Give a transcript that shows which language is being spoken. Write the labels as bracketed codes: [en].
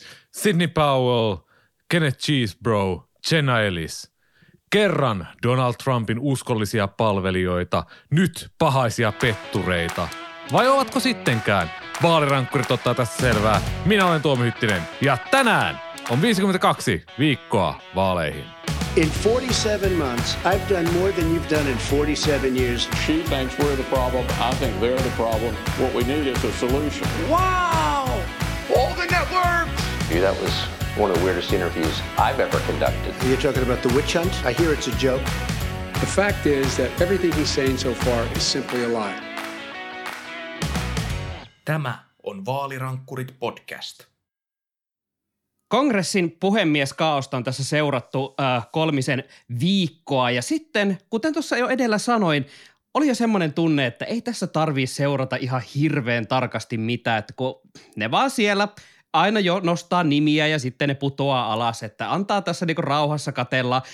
[fi] Sidney Powell, Kenneth Cheesebrough, Jenna Ellis. Kerran Donald Trumpin uskollisia palvelijoita, nyt pahaisia pettureita. Vai ovatko sittenkään? Vaalirankkurit ottaa tässä selvää. Minä olen Tuomi Hyttinen ja tänään on 52 viikkoa vaaleihin. [en] In 47 months, I've done more than you've done in 47 years. She thinks we're the problem. I think they're the problem. What we need is a solution. Wow! All the networks! That was one of the weirdest interviews I've ever conducted. Are you talking about the witch hunt? I hear it's a joke. The fact is that everything he's saying so far is simply a lie. [fi] Tämä on Vaalirankkurit podcast. Kongressin puhemieskaaosta on tässä seurattu kolmisen viikkoa ja sitten, kuten tuossa jo edellä sanoin, oli jo semmoinen tunne, että ei tässä tarvii seurata ihan hirveän tarkasti mitään, että kun ne vaan siellä aina jo nostaa nimiä ja sitten ne putoaa alas, että antaa tässä niinku rauhassa katella.